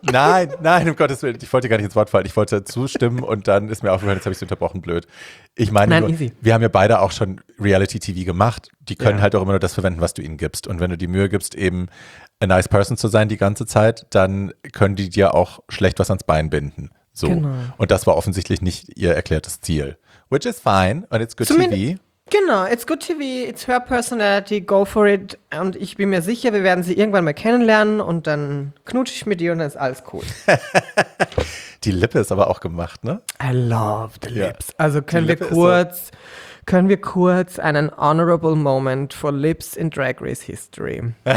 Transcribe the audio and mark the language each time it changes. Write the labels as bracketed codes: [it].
[de] Nein, um Gottes Willen, ich wollte gar nicht ins Wort fallen, ich wollte zustimmen und dann ist mir aufgefallen, jetzt habe ich es unterbrochen, blöd. Ich meine, wir haben ja beide auch schon Reality-TV gemacht, die können halt auch immer nur das verwenden, was du ihnen gibst. Und wenn du die Mühe gibst, eben [en] a nice person [de] zu sein die ganze Zeit, dann können die dir auch schlecht was ans Bein binden. So. Genau. Und das war offensichtlich nicht ihr erklärtes Ziel. [en] Which is fine and it's good TV. Genau, it's good TV, it's her personality, go for it. [de] Und ich bin mir sicher, wir werden sie irgendwann mal kennenlernen und dann knutsche ich mit ihr und dann ist alles cool. Die Lippe ist aber auch gemacht, ne? [en] I love the lips. Ja. [de] Also können wir kurz einen [en] honorable moment for lips [de] in Drag Race History.